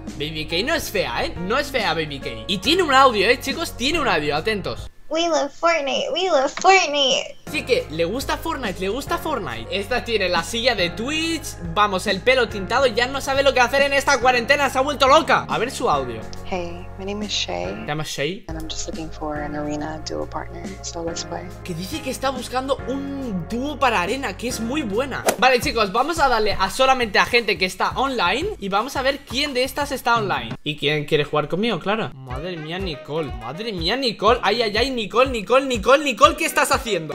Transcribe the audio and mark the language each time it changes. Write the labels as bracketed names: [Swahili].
[Spanish] Baby K no es fea, ¿eh? No es fea, Baby K. Y tiene un audio, ¿eh, chicos? Tiene un audio, atentos. [English] We love Fortnite, we love Fortnite. [Spanish] Así que, ¿le gusta Fortnite? ¿Le gusta Fortnite? Esta tiene la silla de Twitch, vamos, el pelo tintado, ya no sabe lo que hacer en esta cuarentena, se ha vuelto loca. A ver su audio. [English] Hey, my name is Shay. [Spanish] ¿Te llamas Shay? [English] And I'm just looking for an arena duo partner, so let's play. [Spanish] Que dice que está buscando un dúo para arena, que es muy buena. Vale, chicos, vamos a darle a solamente a gente que está online y vamos a ver quién de estas está online. ¿Y quién quiere jugar conmigo? Claro. Madre mía, Nicole. Madre mía, Nicole. Ay, ay, ay, Nicole, Nicole, Nicole, Nicole, ¿qué estás haciendo?